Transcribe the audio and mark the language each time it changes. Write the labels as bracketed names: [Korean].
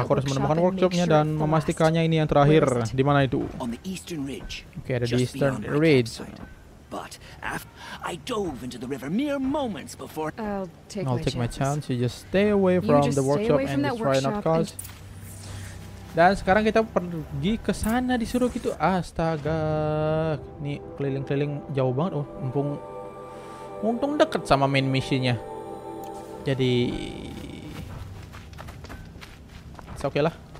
[Indonesian] Aku harus menemukan workshopnya dan memastikannya ini yang terakhir. Di mana itu? [English] On the eastern ridge. [Indonesian] Okay, ada di eastern ridge. [English] But after I dove into the river mere moments before I'll take my chance. You just stay away from the workshop and try not cause. [Indonesian] Dan sekarang kita pergi ke sana disuruh gitu. Astaga. Nih keliling-keliling jauh banget. Oh, untung dekat sama main mission-nya. Jadi [English] it's okay [Indonesian] lah.